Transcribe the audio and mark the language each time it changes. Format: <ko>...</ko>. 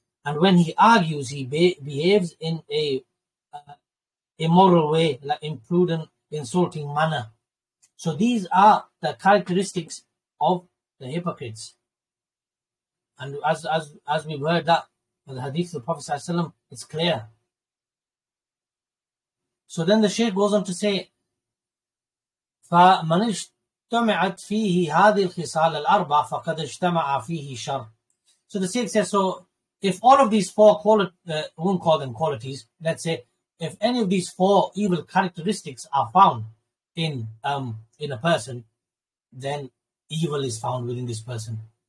<en>And when he argues, he behaves in a immoral way, like imprudent, insulting manner. So these are the characteristics of the hypocrites. And as we've heard that in the hadith of the Prophet ﷺ, it's clear. So then the Shaykh goes on to say,</en> <ar>فَمَنِ اجْتَمَعَتْ فِيهِ هَذِي الْخِصَالَ الْأَرْبَعَ فَقَدْ اجْتَمَعَ فِيهِ شَرٌ.</ar> <en>So the Shaykh says, so if all of these four qualities, let's say, if any of these four evil characteristics are found in a person, then evil is found within this person.</en>